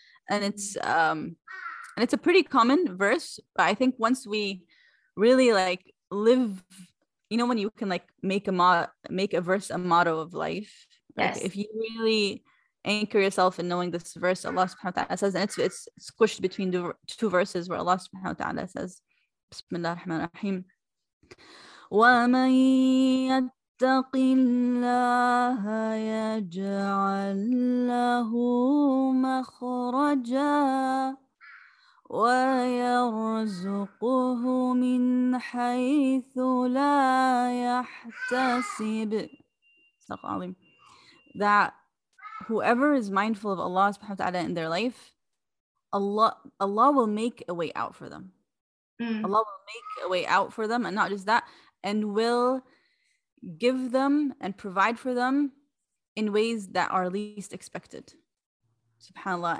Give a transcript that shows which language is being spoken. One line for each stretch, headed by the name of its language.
English: And it's a pretty common verse, but I think once we really like live, you know, when you can like make a verse a motto of life, like, yes. If you really anchor yourself in knowing this verse, Allah subhanahu wa ta'ala says, and it's squished between two verses where Allah subhanahu wa ta'ala says, Bismillah ar-Rahman ar-Rahim.
Arabic: اتق الله يجعل له مخرجا ويرزقه من حيث لا يحتسب.
English: That whoever is mindful of Allah subhanahu wa ta'ala in their life, Allah will make a way out for them. Allah will make a way out for them, and not just that, and will give them and provide for them in ways that are least expected, subhanAllah.